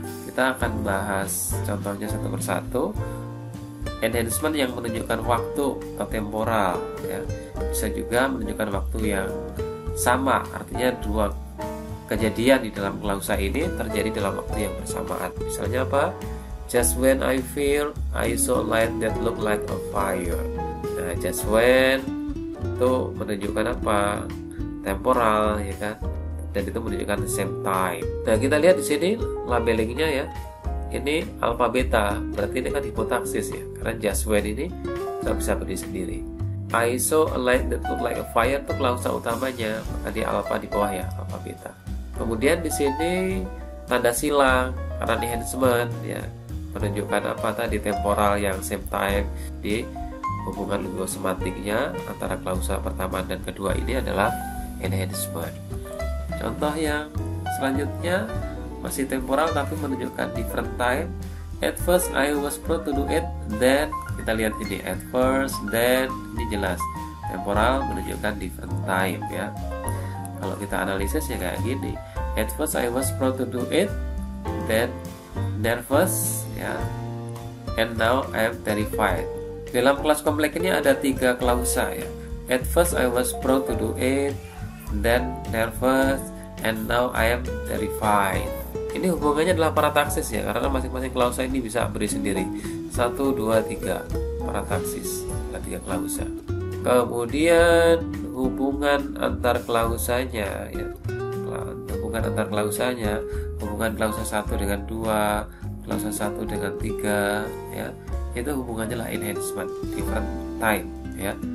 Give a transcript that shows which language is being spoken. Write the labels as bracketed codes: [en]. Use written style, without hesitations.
[id] Kita akan bahas contohnya satu persatu. Enhancement yang menunjukkan waktu atau temporal, ya, bisa juga menunjukkan waktu yang sama, artinya dua kejadian di dalam klausa ini terjadi dalam waktu yang bersamaan. Misalnya apa? [en] Just when I feel I saw light that looked like a fire. [id] Nah, just when itu menunjukkan apa? Temporal, ya kan? Dan itu menunjukkan [en] the same time. [id] Nah, kita lihat di sini labelingnya, ya. Ini alpha beta, berarti ini kan hipotaksis, ya. Karena just when ini nggak bisa berdiri sendiri. [en] I saw a light that looked like a fire [id] itu klausa utamanya, maka dia alpha di bawah, ya, alpha beta. Kemudian di sini tanda silang karena enhancement, ya, menunjukkan apa tadi, temporal yang [en] same time. [id] Di hubungan linguistik semantiknya antara klausa pertama dan kedua ini adalah enhancement. Contoh yang selanjutnya masih temporal tapi menunjukkan [en] different time. At first I was proud to do it, then [id] kita lihat ini [en] at first, then [id] ini jelas temporal menunjukkan [en] different time, ya. [id] Kalau kita analisis ya kayak gini. [en] At first I was proud to do it, then nervous, ya, and now I am terrified. [id] Dalam kelas komplek ini ada 3 klausa, ya. [en] At first I was proud to do it, then nervous, and now I am terrified. [id] Ini hubungannya adalah parataksis, ya, karena masing-masing klausa ini bisa beri sendiri 1, 2, 3 parataksis, ada 3 klausa. Kemudian hubungan antar klausanya, ya, hubungan antar klausanya, hubungan klausa 1 dengan 2, klausa 1 dengan 3, ya, itu hubungannya lah enhancement, [en] different time, [id] ya.